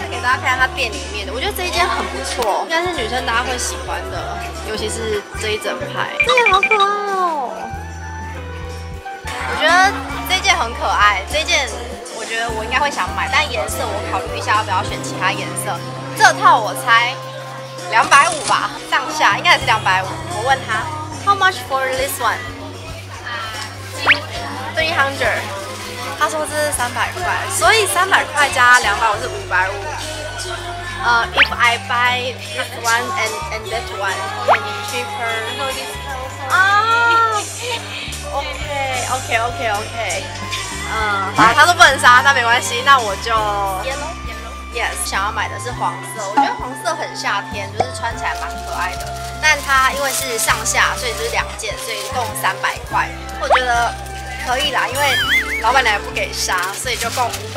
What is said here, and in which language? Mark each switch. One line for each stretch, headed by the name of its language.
Chinese: 给大家看一下它店里面的，我觉得这一件很不错，应该是女生大家会喜欢的，尤其是这一整排，这也好可爱哦。我觉得这件很可爱，这件我觉得我应该会想买，但颜色我考虑一下要不要选其他颜色。这套我猜250吧，上下应该也是250。我问他
English: How much for this one?
Chinese: 300，他说这是300块，所以300块加250是550。
English: If I buy this one and that one, can be cheaper. OK.
Chinese: 他都不能杀，那没关系，那我就
English: Yellow. Yes.
Chinese: 想要买的是黄色，我觉得黄色很夏天，就是穿起来蛮可爱的。但它因为是上下，所以就是两件，所以共300块，我觉得可以啦，因为老板娘不给杀，所以就共550。